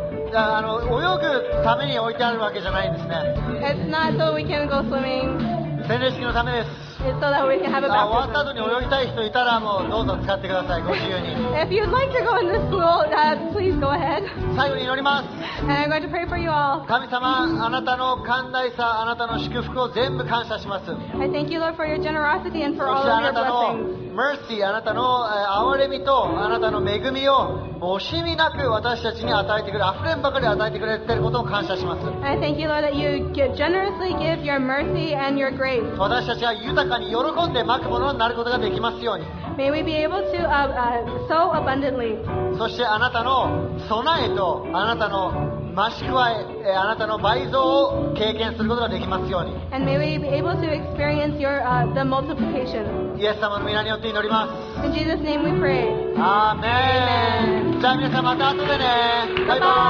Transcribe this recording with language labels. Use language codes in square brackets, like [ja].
[ja] じゃあ、泳ぐために置いてあるわけじゃないんですね。 [en] It's not so we can go swimming. [ja] 洗礼式のためです。 [en] It's so that we can have a baptism. [ja] 終わった後に泳ぎたい人いたらもうどうぞ使ってください、ご自由に。 [en] If you'd like to go in this pool, please go ahead. [ja] 最後に祈ります。 [en] And I'm going to pray for you all. [ja] 神様、あなたの寛大さ、あなたの祝福を全部感謝します。 [en] I thank you, Lord, for your generosity and for all of your blessings. [ja] Mercy, あなたの憐れみとあなたの恵みを惜しみなく私たちに与えてくれ、溢れんばかり与えてくれていることを感謝します。 [en] I thank you, Lord, that you generously give your mercy and your grace. [ja] 私たちが豊かに喜んでまくものになることができますように。 [en] May we be able to sow abundantly. [ja] そしてあなたの備えとあなたの増し加え、あなたの倍増を経験することができますように。 [en] And may we be able to experience your, the multiplication. [ja] イエス様の御名によって祈ります。 [en] In Jesus' name we pray. [ja] アーメン。じゃあ皆さんまた後でね。バイバイ。